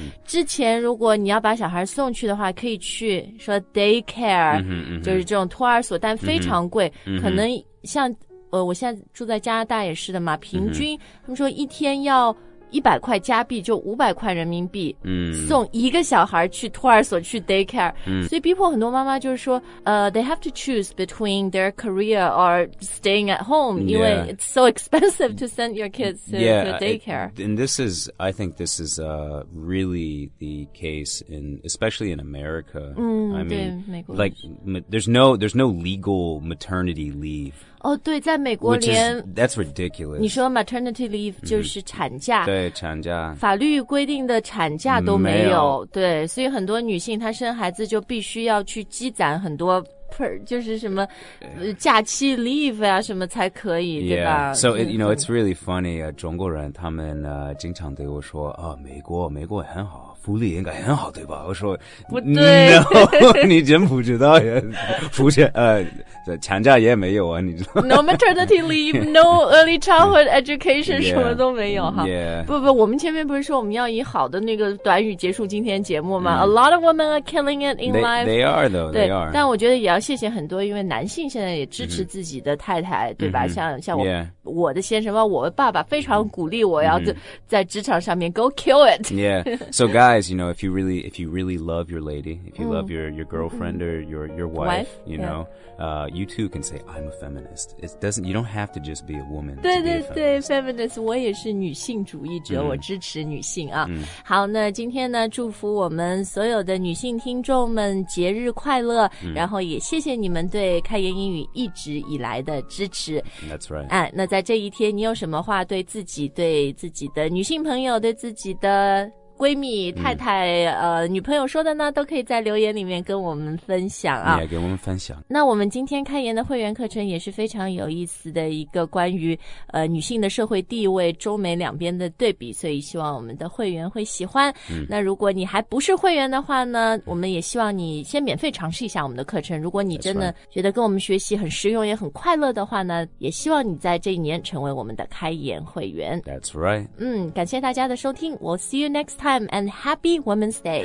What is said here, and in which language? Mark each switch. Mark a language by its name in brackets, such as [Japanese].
[Chinese] 之前如果你要把小孩送去的话，可以去说 daycare, 就是这种托儿所，但非常贵，可能像我现在住在加拿大也是的嘛，平均他们说一天要100块加币，就500块人民币，送一个小孩去托儿所去 daycare, 所以逼迫很多妈妈就是说 [English] they have to choose between their career or staying at home, [Chinese] 因为 [English] it's so expensive to send your kids to, to daycare. And this is, I think this is, really the case in, especially in America. I mean, like, there's no legal maternity leave. [Chinese] 对，在美国连 [English] that's ridiculous. [Chinese] 你说 maternity leave 就是产假，对，产假，法律规定的产假都没有，对，所以很多女性她生孩子就必须要去积攒很多就是什么假期 leave 啊什么才可以，对吧？ [English] So it, you know, it's really funny. [Chinese] 中国人他们经常对我说啊，美国很好。福利应该很好，对吧？我说不对， no, 你真不知道呀，福利产假也没有啊，你知道 [English] ？No maternity leave, no early childhood education, [Chinese] 什么都没有哈。 [English] Yeah. [Chinese] 不，我们前面不是说我们要以好的那个短语结束今天节目吗？ [English] A lot of women are killing it in life. They are though. [Chinese] 对，但我觉得也要谢谢很多，因为男性现在也支持自己的太太，对吧？像我、我的先生吧，我爸爸非常鼓励我要在职场上面 [English] go kill it. Yeah. So guys. Guys, you know, if you really love your lady, if you love your girlfriend or your wife, you know, you too can say, I'm a feminist. You don't have to just be a woman. [Chinese] 对对对 ,feminist, 我也是女性主义者，我支持女性啊。好，那今天呢，祝福我们所有的女性听众们节日快乐，然后也谢谢你们对开言英语一直以来的支持。 [English] That's right. [Chinese] 那在这一天，你有什么话对自己的女性朋友，对自己的闺蜜、太太、女朋友说的呢，都可以在留言里面跟我们分享啊，也给我们分享。那我们今天开言的会员课程也是非常有意思的一个关于女性的社会地位、中美两边的对比，所以希望我们的会员会喜欢。那如果你还不是会员的话呢，我们也希望你先免费尝试一下我们的课程。如果你真的觉得跟我们学习很实用也很快乐的话呢，也希望你在这一年成为我们的开言会员。 [English] That's right. [Chinese] 感谢大家的收听。 [English] We'll see you next time and Happy Women's Day.